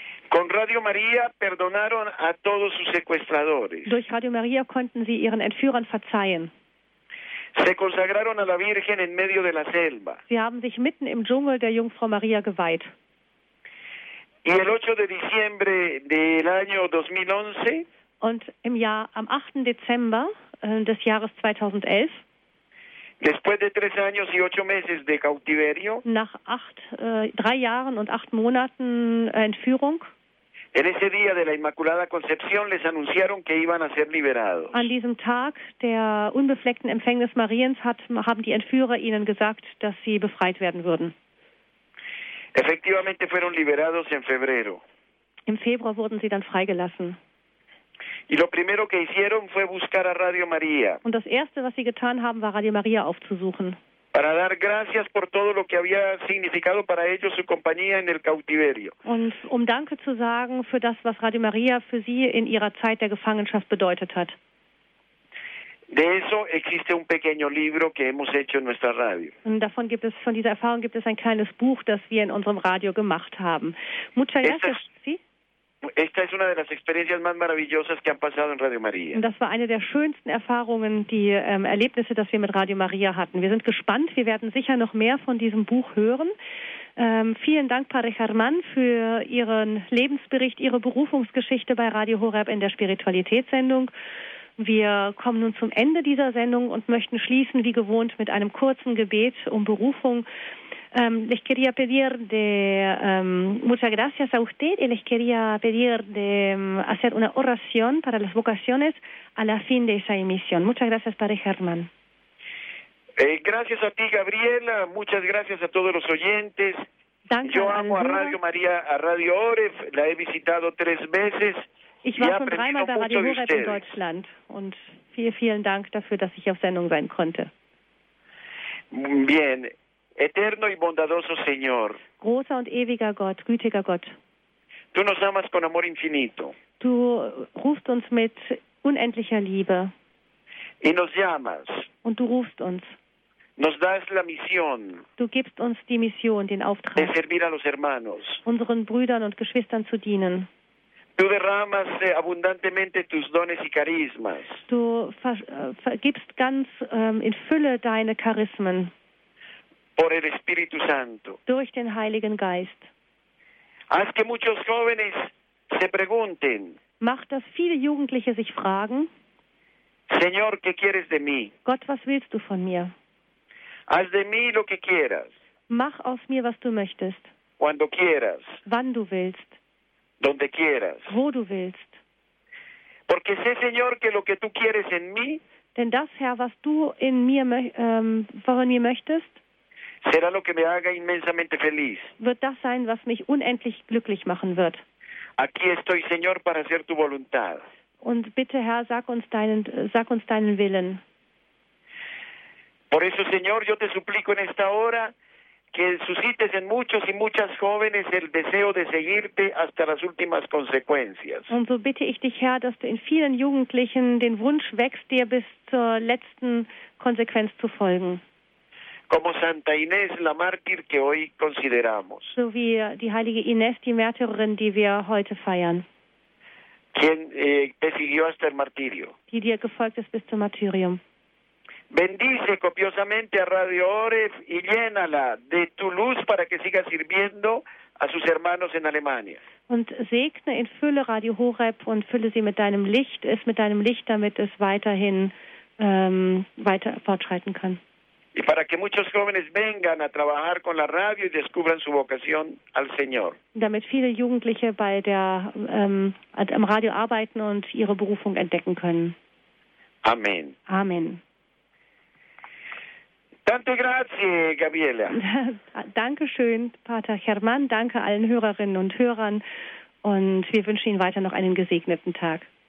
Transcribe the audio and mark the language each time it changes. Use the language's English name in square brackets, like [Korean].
[Spanish] Con Radio María perdonaron a todos sus secuestradores. [German] Durch Radio María konnten sie ihren Entführern verzeihen. [Spanish] Se consagraron a la Virgen en medio de la selva. [German] Sie haben sich mitten im Dschungel der Jungfrau Maria geweiht. [Spanish] Y el 8 de diciembre del año 2011. [German] Und im Jahr am 8. Dezember des Jahres 2011. [Spanish] Después de 3 años y 8 meses de cautiverio. [German] Nach 3 Jahren und 8 Monaten Entführung. [Spanish] En ese día de la Inmaculada Concepción les anunciaron que iban a ser liberados. [German] An diesem Tag der unbefleckten Empfängnis Mariens haben die Entführer ihnen gesagt, dass sie befreit werden würden. [Spanish] Efectivamente fueron liberados en febrero. [German] Im Februar wurden sie dann freigelassen. [Spanish] Y lo primero que hicieron fue buscar a Radio María. [German] Und das erste, was sie getan haben, war Radio María aufzusuchen. [Spanish] Para dar gracias por todo lo que había significado para ellos su compañía en el cautiverio. [German] Und um Danke zu sagen für das, was Radio María für sie in ihrer Zeit der Gefangenschaft bedeutet hat. [Spanish] De eso existe un pequeño libro que hemos hecho en nuestra radio. [German] Und davon gibt es, von dieser Erfahrung gibt es ein kleines Buch, das wir in unserem Radio gemacht haben. [Spanish] Muchas gracias. Esta es una de las experiencias más maravillosas que han pasado en Radio María. [German] Das war eine der schönsten Erfahrungen, die Erlebnisse, das wir mit Radio María hatten. Wir sind gespannt, wir werden sicher noch mehr von diesem Buch hören. Vielen Dank, Padre Germán, für Ihren Lebensbericht, Ihre Berufungsgeschichte bei Radio Horeb in der Spiritualitätssendung. Wir kommen nun zum Ende dieser Sendung und möchten schließen, wie gewohnt, mit einem kurzen Gebet um Berufung. [Spanish] Les quería pedir de muchas gracias a usted y les quería pedir de hacer una oración para las vocaciones a la fin de esa emisión. Muchas gracias, Padre Germán. Gracias a ti, Gabriela. Muchas gracias a todos los oyentes. [German] Danke. [Spanish] Yo amo a Radio María, a Radio Horeb. La he visitado 3 veces. [German] Ich war schon 3 Mal bei Radio Horeb in Deutschland und vielen Dank dafür, dass ich auf Sendung sein konnte. [Spanish] Bien. Eterno y bondadoso Señor. [German] Großer und ewiger Gott, gütiger Gott. [Spanish] Tú nos amas con amor infinito. [German] Du rufst uns mit unendlicher Liebe. [Spanish] Y nos llamas. [German] Und du rufst uns. [Spanish] Nos das la misión. [German] Du gibst uns die Mission, den Auftrag. [Spanish] De servir a los hermanos. [German] Unseren Brüdern und Geschwistern zu dienen. [Spanish] Tú derramas abundantemente tus dones y carismas. [German] Du gibst ganz in Fülle deine Charismen. [Spanish] Por el Espíritu Santo. [German] Durch den Heiligen Geist. [Spanish] Haz que muchos jóvenes se pregunten. [German] macht, dass viele Jugendliche sich fragen, [Spanish] Señor, ¿qué quieres de mí? [German] Gott, was willst du von mir? [Spanish] Haz de mí lo que quieras. [German] Mach aus mir, was du möchtest. [Spanish] Cuando quieras. [German] Wann du willst. [Spanish] Donde quieras. [German] Wo du willst. [Spanish] Porque sé, Señor, que lo que tú quieres en mí, [German] denn das, Herr, was du in mir, von mir möchtest, [Spanish] será lo que me haga inmensamente feliz. [German] Wird das sein, was mich unendlich glücklich machen wird. [Spanish] Aquí estoy, Señor, para hacer tu voluntad. [German] Und bitte, Herr, sag uns deinen Willen. [Spanish] Por eso, Señor, yo te suplico en esta hora que suscites en muchos y muchas jóvenes el deseo de seguirte hasta las últimas consecuencias. [German] Und so bitte ich dich, Herr, dass du in vielen Jugendlichen den Wunsch wächst, dir bis zur letzten Konsequenz zu folgen. [Spanish] Como Santa Inés, la mártir que hoy consideramos. [German] So wie die heilige Inés, die Märtyrerin, die wir heute feiern. [Spanish] Quien te siguió hasta el martirio. [German] Die dir gefolgt ist bis zum Martyrium. [Spanish] Bendice copiosamente a Radio Oref y llénala de tu luz para que siga sirviendo a sus hermanos en Alemania. [German] Und segne und fülle Radio Horeb und fülle sie mit deinem Licht, es mit deinem Licht, damit es weiterhin weiter fortschreiten kann. [Spanish] Y para que muchos jóvenes vengan a trabajar con la radio y descubran su vocación al Señor. [German] Damit viele Jugendliche bei der am Radio arbeiten und ihre Berufung entdecken können. [Spanish] Amen. [German] Amen. [Italian] Tante grazie, Gabriela. [German] Dankeschön, Pater Germán. Danke allen Hörerinnen und Hörern. Und wir wünschen Ihnen weiter noch einen gesegneten Tag.